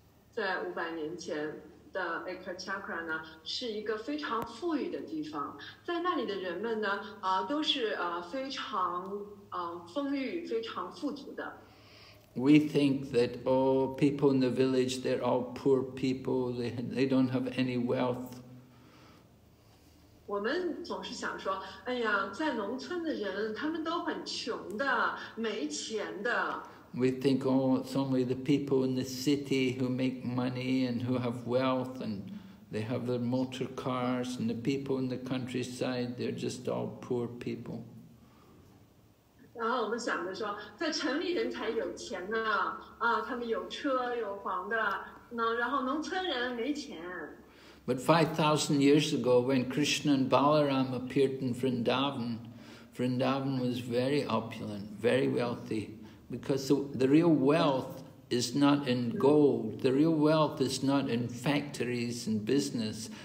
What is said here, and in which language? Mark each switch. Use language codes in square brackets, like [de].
[zh] 在五百年前的 Ekachakra 呢，是一个非常富裕的地方。在那里的人们呢，都是非常丰裕非常富足的。 [en] We think that all people in the village, they're all poor people, they don't have any wealth. [zh] 我们总是想说，哎呀，在农村的人，他们都很穷的，没钱的。 [en] We think, oh, it's only the people in the city who make money and who have wealth and they have their motor cars and the people in the countryside, they're just all poor people. [zh] 然后我们想着说，在城里人才有钱呢，啊，他们有车有房的，那然后农村人没钱。 [en] But 5,000 years ago, when Krishna and Balaram appeared in Vrindavan, Vrindavan was very opulent, very wealthy. Because the real wealth is not in gold. The real wealth is not in factories and business.